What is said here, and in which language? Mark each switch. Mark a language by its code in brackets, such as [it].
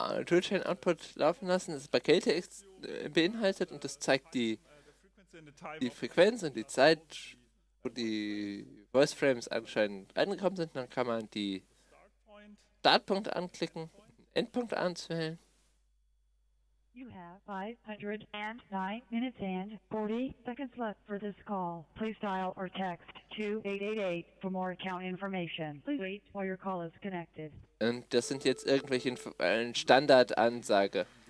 [de] Toolchain Output laufen lassen, das ist bei Kälte beinhaltet und das zeigt die Frequenz und die Zeit, wo die Voice Frames anscheinend angekommen sind. Dann kann man die Startpunkt anklicken, Endpunkt anzählen. [en] You have 509 minutes and 40 seconds left for this call. Please dial or text 2888 for more account information. Please wait while your call is connected. [de] Und das sind jetzt irgendwelche Standardansage.